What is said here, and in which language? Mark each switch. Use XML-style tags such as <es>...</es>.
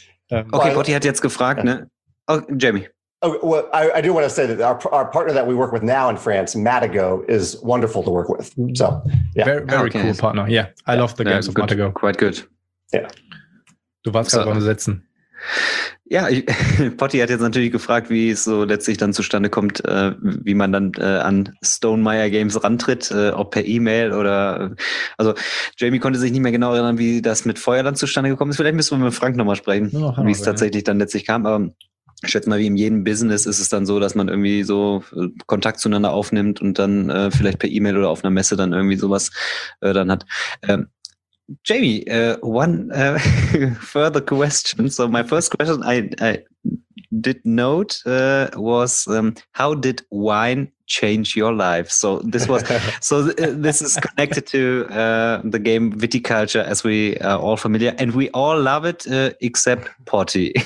<de>Okay, Potti hat jetzt gefragt, ne?</de> <en>Oh, Jamie. Oh, well, I do want to say that our partner that we work with now in France, Matago, is wonderful to work with. So, yeah. Very okay. Cool partner. Yeah. I love the games of Matago. Quite good. Yeah.</en> <de>Du warst gerade beim Setzen. Ja, Potti hat jetzt natürlich gefragt, wie es so letztlich dann zustande kommt, wie man dann an Stonemaier Games rantritt, ob per E-Mail oder, also Jamie konnte sich nicht mehr genau erinnern, wie das mit Feuerland zustande gekommen ist. Vielleicht müssen wir mit Frank nochmal sprechen, wie es tatsächlich dann letztlich kam, aber ich schätze mal, wie in jedem Business ist es dann so, dass man irgendwie so Kontakt zueinander aufnimmt und dann vielleicht per E-Mail oder auf einer Messe dann irgendwie sowas dann hat.</de> <en>Jamie, one further question. So my first question I did note was how did wine change your life? So this was this is connected to the game Viticulture, as we are all familiar, and we all love it except Potti.</en>